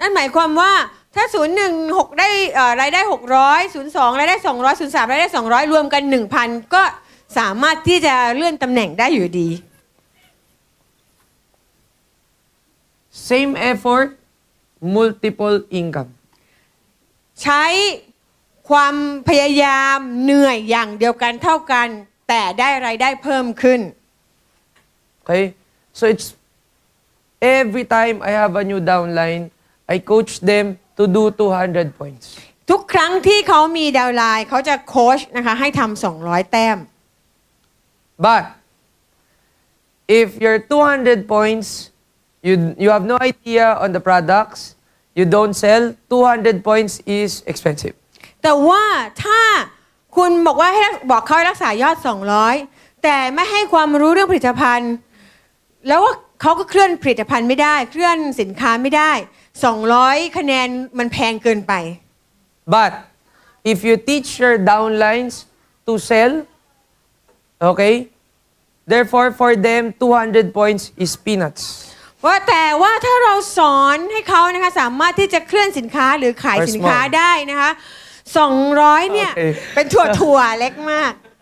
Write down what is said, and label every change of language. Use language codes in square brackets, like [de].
[th] นั่นหมายความว่าถ้าศูนย์1 6ได้รายได้600ศูนย์2รายได้200ศูนย์3รายได้200รวมกัน 1,000 ก็สามารถที่จะเลื่อนตำแหน่งได้อยู่ดี [en] Same effort, multiple income. [th] ใช้ความพยายามเหนื่อยอย่างเดียวกันเท่ากันแต่ได้รายได้เพิ่มขึ้น [en] Okay, so it's every time I have a new downline, I coach them to do 200 points. [th] ทุกครั้งที่เขามีดาวน์ไลน์เขาจะโค้ชนะคะให้ทำ200แต้ม [en] But if you're 200 points, you have no idea on the products, you don't sell, 200 points is expensive. [th] แต่ว่าถ้าคุณบอกว่าให้บอกเขาให้รักษายอด200แต่ไม่ให้ความรู้เรื่องผลิตภัณฑ์แล้วว่าเขาก็เคลื่อนผลิตภัณฑ์ไม่ได้เคลื่อนสินค้าไม่ได้200คะแนนมันแพงเกินไป [en] But if you teach your downlines to sell, okay, therefore for them 200 points is peanuts. [th] ว่าแต่ว่าถ้าเราสอนให้เขานะคะสามารถที่จะเคลื่อนสินค้าหรือขายสินค้าได้นะคะ200เนี่ย okay. เป็นถั่วเล็กมาก